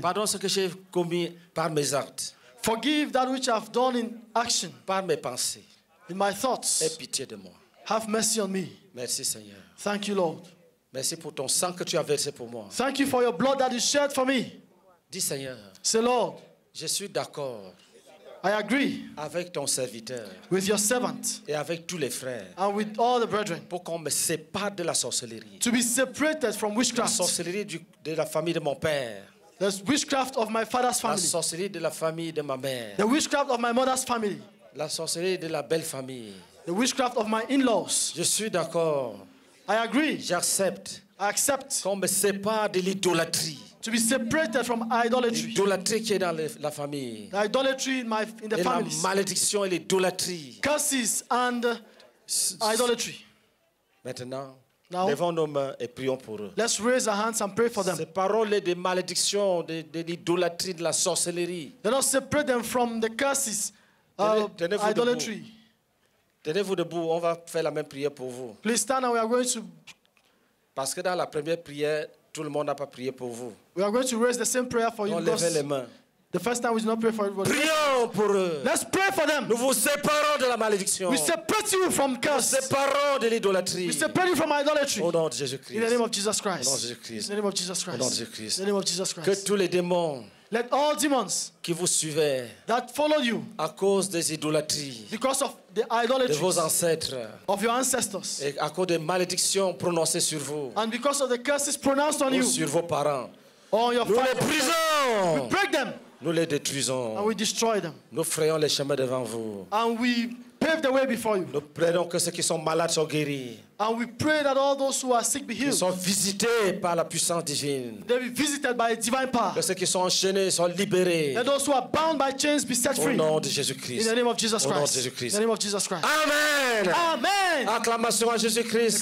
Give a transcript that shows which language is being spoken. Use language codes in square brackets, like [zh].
[fr] Pardonne ce que j'ai commis par mes actes. [en] Forgive that which I've done in action. [fr] Par mes pensées. [en] In my thoughts. [fr] Aie pitié de moi. [en] Have mercy on me. [fr] Merci Seigneur. [en] Thank you Lord. [fr] Merci pour ton sang que tu as versé pour moi. [en] Thank you for your blood that you shed for me. [fr] Dis Seigneur. [en] Say Lord. [fr] Je suis d'accord. [en] I agree. [fr] Avec ton serviteur. [en] With your servant. [fr] Et avec tous les frères. [en] And with all the brethren. [fr] Pour qu'on me sépare de la sorcellerie. [en] To be separated from witchcraft. [fr] La sorcellerie de la famille de mon père. [en] The witchcraft of my father's family. [fr] La sorcellerie de la famille de ma mère. [en] The witchcraft of my mother's family. [fr] La sorcellerie de la belle famille. [en] The witchcraft of my in-laws. [fr] Je suis d'accord. [en] I agree. [fr] J'accepte. [en] I accept. [fr] Qu'on me sépare de l'idolâtrie. [en] To be separated from idolatry. [fr] L'idolâtrie qui est dans la famille. [en] The idolatry in the families. [fr] Et la malédiction et l'idolâtrie. [en] Curses and idolatry. [fr] Maintenant. [en] Now, [fr] levons nos mains et prions pour eux. [en] Let's raise our hands and pray for them. [fr] Ces paroles de malédiction, de l'idolâtrie, de la sorcellerie. [en] Let us separate them from the curses of idolatry. [fr] Tenez-vous debout. On va faire la même prière pour vous. [en] Please stand and we are going to. [fr] Parce que dans la première prière, tout le monde n'a pas prié pour vous. [en] We are going to raise the same prayer for you. [fr] On levait les mains. [en] The first time we did not pray for everybody. [fr] Prions pour eux. [en] Let's pray for them. [fr] Nous vous séparons de la malédiction. [en] We separate you from curse. [fr] Nous séparons de l'idolâtrie. [en] We separate you from idolâtrie. [fr] Au nom de Jésus-Christ. [en] In the name of Jesus Christ. [fr] Au nom de Jésus-Christ. [en] In the name of Jesus Christ. [fr] Au nom de Jésus-Christ. [en] In the name of Jesus Christ. [fr] Que tous les démons. [en] Let all demons. [fr] Qui vous suivaient. [en] That followed you. [fr] À cause des idolâtries. [en] Because of the idolatry. [fr] De vos ancêtres. [en] Of your ancestors. [fr] Et à cause des malédictions prononcées sur vous. [en] And because of the curses pronounced on [fr] ou [en] you. [fr] Ou sur vos parents. [en] On your family. [fr] Nous les brisons. [en] We break them. [fr] Nous les détruisons. [en] And we destroy them. [fr] Nous frayons les chemins devant vous. [en] And we pave the way before you. [fr] Nous prions que ceux qui sont malades soient guéris. [en] And we pray that all those who are sick be healed. [fr] Ils sont visités par la puissance divine. [en] They be visited by a divine power. [fr] Que ceux qui sont enchaînés soient libérés. [en] Let those who are bound by chains be set free. [fr] Au nom de Jésus-Christ. [en] In the name of Jesus Christ. [fr] Au nom de Jésus-Christ. [en] In the name of Jesus Christ. Amen. Amen. [fr] Acclamation à Jésus-Christ.